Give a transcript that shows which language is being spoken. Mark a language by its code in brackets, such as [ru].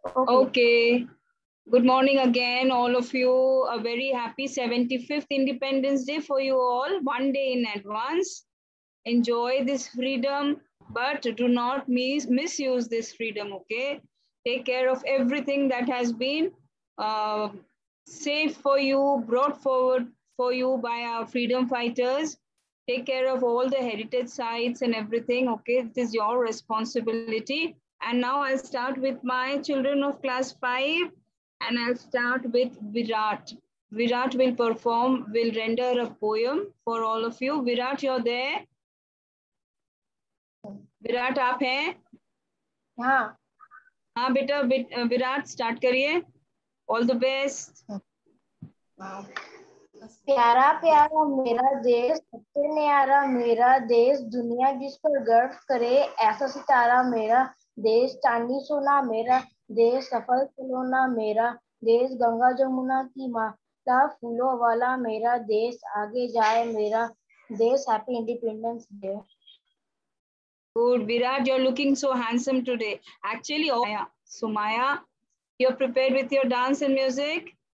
[en] Good morning again all of you a very happy 75th independence day for you all one day in advance enjoy this freedom but do not misuse this freedom okay Take care of everything that has been saved for you, brought forward for you by our freedom fighters. Take care of all the heritage sites and everything. Okay, this is your responsibility. And now I'll start with my children of class 5. And I'll start with Virat. Virat will perform, will render a poem for all of you. Virat, you're there? [hi] Virat, aap hai? [en] Yeah. [hi] हाँ बेटा Virat start करिए [en] all the best [hi] प्यारा प्यारा मेरा देश सबसे न्यारा मेरा देश दुनिया जिस पर गर्व करे ऐसा सितारा मेरा देश चांदी सोना मेरा देश सफल खिलौना मेरा देश गंगा जमुना की माता फूलों वाला मेरा देश आगे जाए मेरा देश [en] Happy independence day Good, Virat, you're looking so handsome today. Actually, oh, yeah. Sumaya, you're prepared with your dance and music?